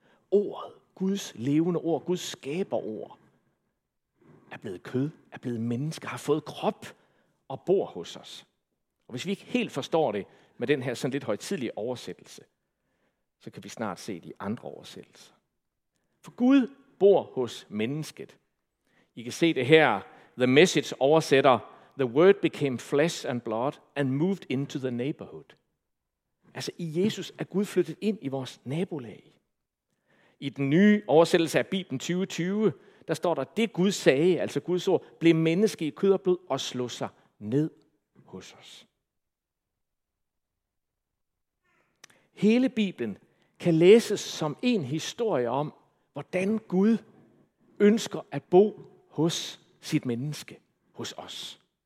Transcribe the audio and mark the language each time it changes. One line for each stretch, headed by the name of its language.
Danish: Ordet, Guds levende ord, Guds skaberord, er blevet kød, er blevet menneske, har fået krop og bor hos os. Og hvis vi ikke helt forstår det med den her sådan lidt højtidlige oversættelse, så kan vi snart se de andre oversættelser. For Gud bor hos mennesket. I kan se det her, The Message oversætter,
English: The Word became flesh and blood and moved into the neighborhood.
Danish: Altså i Jesus er Gud flyttet ind i vores nabolag. I den nye oversættelse af Bibelen 2020, der står der, det Gud sagde, altså Guds ord, blev menneske i kød og blod og slog sig ned hos os. Hele Bibelen kan læses som en historie om, hvordan Gud ønsker at bo hos sit menneske, hos os.